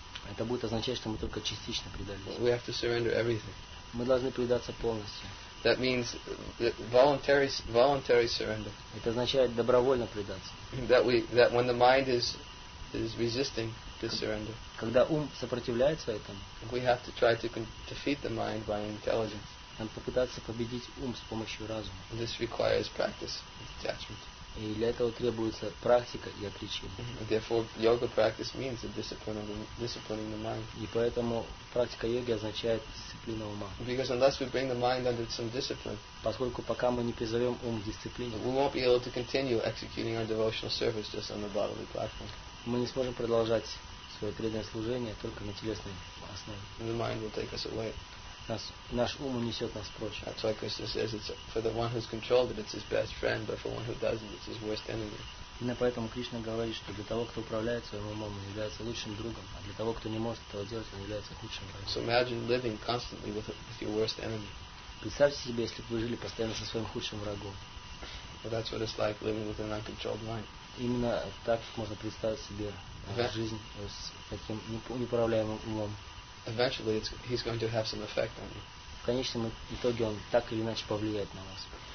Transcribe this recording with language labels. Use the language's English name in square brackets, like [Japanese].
[Russian] Это будет означать, что мы только частично предали. [English] We have to surrender everything. [Russian] Мы должны предаться полностью. [English] That means voluntary surrender. [Russian] Это означает добровольно предаться. [English] That when the mind is resisting. To surrender. [Russian] Когда ум сопротивляется этому, [English] we have to try to defeat the mind by intelligence. [Russian] Нам попытаться победить ум с помощью разума. [English] This requires practice, detachment. [Russian] И для этого требуется практика и отречение. [English] Therefore, yoga practice means the disciplining the mind. [Russian] И поэтому практика йоги означает дисциплина ума. [English] Because unless we bring the mind under some discipline, [Russian] поскольку пока мы не призовем ум к дисциплине, [English] we won't be able to continue executing our devotional service just on the bodily platform. [Russian] Мы не сможем продолжать свое преданное служение только на телесной основе. [English] The mind will take us away. [Russian] Наш ум унесет нас прочь. [English] That's why Krishna says it's for the one who's controlled it, it's his best friend, but for one who doesn't, it's his worst enemy. [Russian] Именно поэтому Кришна говорит, что для того, кто управляет своим умом, он является лучшим другом, а для того, кто не может этого делать, он является худшим врагом. [English] So imagine living constantly with your worst enemy. [Russian] Представьте себе, если бы вы жили постоянно со своим худшим врагом. [English] But that's what it's like living with an uncontrolled mind. [Russian] Именно так можно представить себе жизнь с таким неуправляемым умом. [English] Eventually he's going to have some effect on you. [Russian] В конечном итоге он так или иначе повлияет на вас.